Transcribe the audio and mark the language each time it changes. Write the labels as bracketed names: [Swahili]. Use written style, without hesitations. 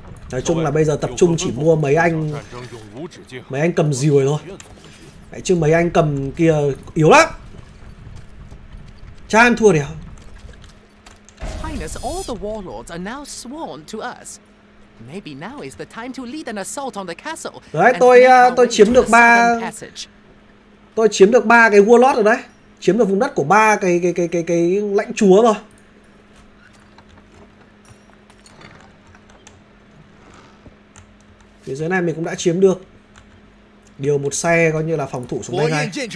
[Vietnamese] Nói chung là bây giờ tập trung chỉ mua mấy anh. Mấy anh cầm dìu rồi thôi. Đấy, chứ mấy anh cầm kia yếu lắm. Chán thua đéo. [English] Highness, all the warlords are now sworn to us. Maybe now is the time to lead an assault on the castle. [Vietnamese] Đấy, tôi chiếm được ba. Tôi chiếm được ba cái warlord rồi đấy. Chiếm được vùng đất của ba cái lãnh chúa rồi. Phía dưới này mình cũng đã chiếm được. Điều một xe coi như là phòng thủ xuống đây ngay.